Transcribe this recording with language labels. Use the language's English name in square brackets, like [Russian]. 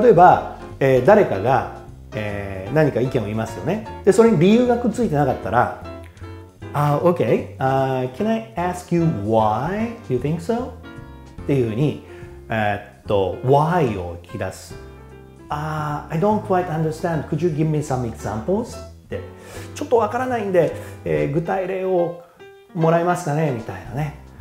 [Japanese] 例えば、誰かが何か意見を言いますよね。で、それに理由がくっついてなかったら、 [English] can I ask you why you think so? [Japanese] っていうふうに、why を聞き出す。 [English] I don't quite understand. Could you give me some examples? [Japanese] って、ちょっとわからないんで、具体例をもらえますかねみたいなね。